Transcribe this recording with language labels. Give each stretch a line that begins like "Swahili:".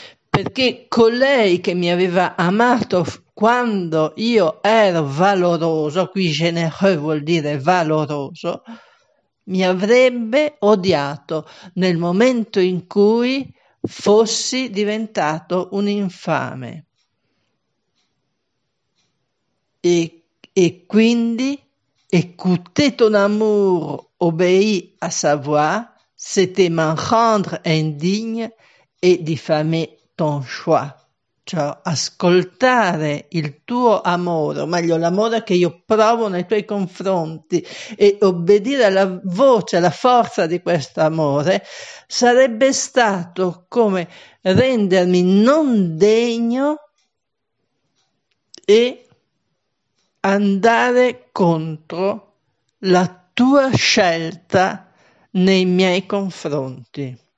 Italian: Perché colei che mi aveva amato quando io ero valoroso, qui généreux vuol dire valoroso, mi avrebbe odiato nel momento in cui fossi diventato un infame. E quindi,
French: et coûté ton amour obéit à sa voix, c'était m'en rendre indigne et diffamer ton choix.
Italian: Cioè, ascoltare il tuo amore, o meglio, l'amore che io provo nei tuoi confronti e obbedire alla voce, alla forza di questo amore, sarebbe stato come rendermi non degno e andare contro la tua scelta nei miei confronti.